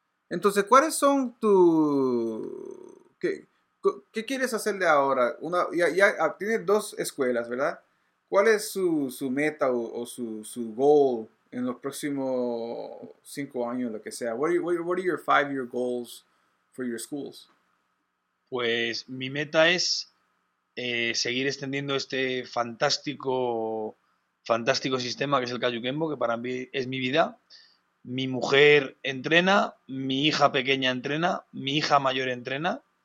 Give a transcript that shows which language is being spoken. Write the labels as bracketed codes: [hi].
[es] Entonces, ¿cuáles son ¿Qué quieres hacer de ahora? Ya tienes 2 escuelas, ¿verdad? ¿Cuál es su meta o su goal en los próximos 5 años, lo que sea? [en] What are your 5-year goals for your schools? [es] Pues mi meta es seguir extendiendo este fantástico sistema que es el Cayuquembo, que para mí es mi vida. Mi mujer entrena, mi hija pequeña entrena, mi hija mayor entrena.